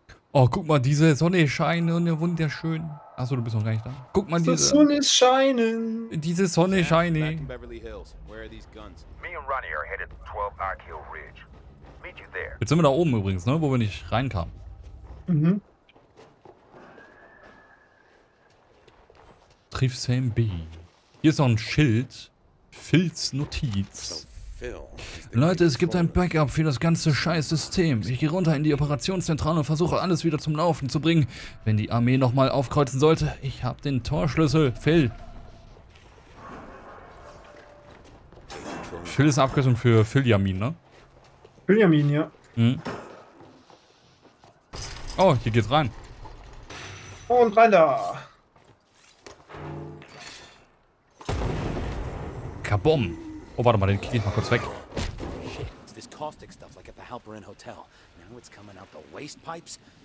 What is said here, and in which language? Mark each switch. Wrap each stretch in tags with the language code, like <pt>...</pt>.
<de>Oh, guck mal, diese Sonne scheint und wunderschön. Achso, du bist noch gar nicht da. Guck mal, die Sonne ist scheinen. Diese Sonne scheint. Beverly</de> <en>Hills, where are these guns? Me and Ronnie are headed to 12 Arc Hill Ridge. Meet you there.</en> <de>Jetzt sind wir da oben übrigens, ne, wo wir nicht reinkamen. Mhm. Triff Sam B. Hier ist noch ein Schild. Filz Notiz. So, Leute, es gibt ein Backup für das ganze scheiß System. Ich gehe runter in die Operationszentrale und versuche alles wieder zum Laufen zu bringen. Wenn die Armee nochmal aufkreuzen sollte, ich habe den Torschlüssel, Phil. Phil ist eine Abkürzung für Philjamin, ne? Philjamin, ja. Hm. Oh, hier geht's rein. Und rein da. Kabum. Oh, warte mal, den krieg ich mal kurz weg.</de> <en>Shit, is this caustic stuff like at the Halperin Hotel? Now it's coming out the waste pipes?</en>